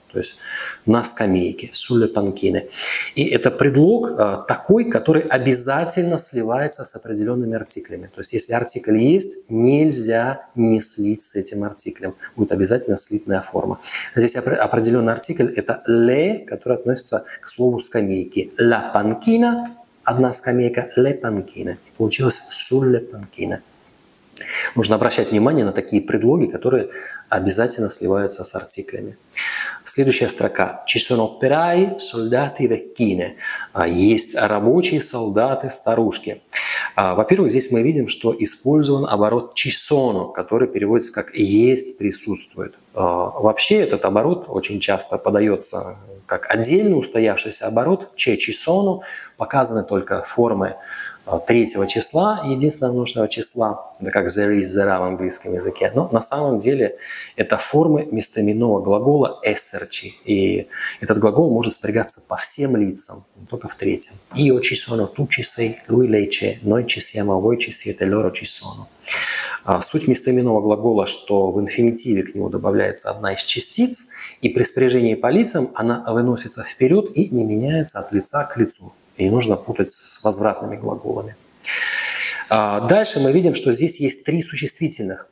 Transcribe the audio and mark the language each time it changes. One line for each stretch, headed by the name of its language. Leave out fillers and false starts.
Russian: То есть «на скамейке»,
Italian: «sulle panchine».
Russian: И это предлог такой, который обязательно сливается с определенными артиклями. То есть если артикль есть, нельзя не слить с этим артиклем. Будет обязательно слитная форма. Здесь определенный артикль – это «le», который относится к слову «скамейки».
Italian: «La panchina»
Russian: – одна скамейка,
Italian: «le panchine».
Russian: И получилось
Italian: «sulle panchine».
Russian: Нужно обращать внимание на такие предлоги, которые обязательно сливаются с артиклями. Следующая строка.
Italian: «Ci sono operai, soldati, vecchine».
Russian: «Есть рабочие, солдаты, старушки». Во-первых, здесь мы видим, что использован оборот
Italian: «ci sono»,
Russian: который переводится как «есть, присутствует». Вообще этот оборот очень часто подается как отдельно устоявшийся оборот
Italian: «c'è ci sono».
Russian: Показаны только формы третьего числа, единственного нужного числа. Это как
English: «there is, there are»
Russian: в английском языке. Но на самом деле это формы местоименного глагола «esserci». И этот глагол может спрягаться по всем лицам, но только в третьем.
Italian: «Io ci sono, tu ci sei, lui lei c'è, noi ci siamo, voi ci siete, loro ci sono».
Russian: Суть местоименного глагола, что в инфинитиве к нему добавляется одна из частиц, и при спряжении по лицам она выносится вперед и не меняется от лица к лицу. И не нужно путать с возвратными глаголами. Дальше мы видим, что здесь есть три существительных.